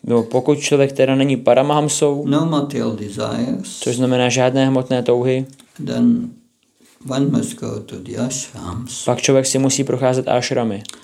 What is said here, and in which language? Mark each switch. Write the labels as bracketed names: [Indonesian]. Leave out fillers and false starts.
[Czech] Pokud člověk teda není paramahamsou. [English] No material desires. [Czech] Což znamená žádné hmotné touhy. [English] Then one must go to the ashrams. [Czech] Pak člověk si musí procházet ashramy.